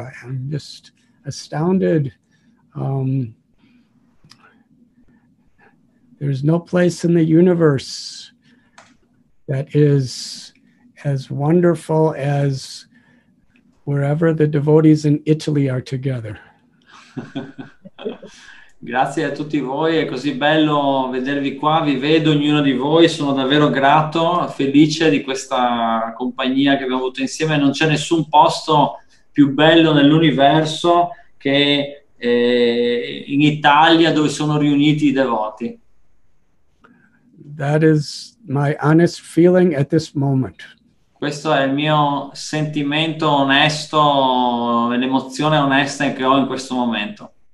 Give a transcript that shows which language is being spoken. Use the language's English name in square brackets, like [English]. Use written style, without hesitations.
[English] I am just astounded. There's no place in the universe that is as wonderful as wherever the devotees in Italy are together. [Italian] Grazie a tutti voi, è così bello vedervi qua, vi vedo ognuno di voi, sono davvero grato, felice di questa compagnia che abbiamo avuto insieme, non c'è nessun posto più bello nell'universo che in Italia dove sono riuniti i devoti. [English] That is my honest feeling at this moment. [Italian] Questo è il mio sentimento onesto, l'emozione onesta che ho in questo momento.